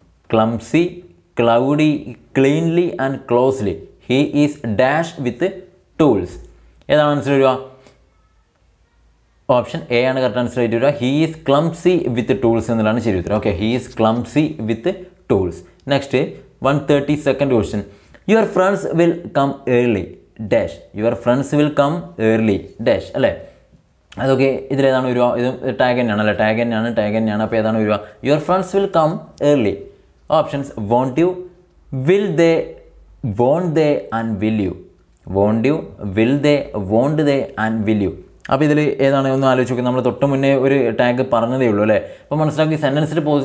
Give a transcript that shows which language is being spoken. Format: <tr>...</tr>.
<en>clumsy cloudy cleanly and closely he is dash with tools</en> <ml>ഏതാണ് answer വരിക option A ആണ് correct answer ആയിട്ട് വരിക</ml> <en>he is clumsy with tools</en> <ml>എന്നുള്ളതാണ് ശരി ഉത്തരം okay he is clumsy with tools</ml> <en>Next 132nd question. Your friends will come early. Dash. Your friends will come early. Dash.</en> <ml>അല്ലേ അതൊക്കെ ഇതിലേതാണ് വരിക ഇതും ടാഗൻ ആണ് അല്ലേ ടാഗൻ ആണ് ടാഗൻ ആണ് അപ്പോൾ ഏതാണ് വരിക</ml> <en>your friends will come early options won't you will they won't they and will you</en> <ml>want you will they won't they and will you അപ്പോൾ ഇതിൽ ഏതാണ് ഒന്ന് ആലോചിച്ച് നോക്കി നമ്മൾ തൊട്ട് മുന്നേ ഒരു ടാഗ് പറഞ്ഞതേ ഉള്ളൂ അല്ലേ അപ്പോൾ മനസ്സിലാക്കി സെൻറ്റൻസിൽ</ml>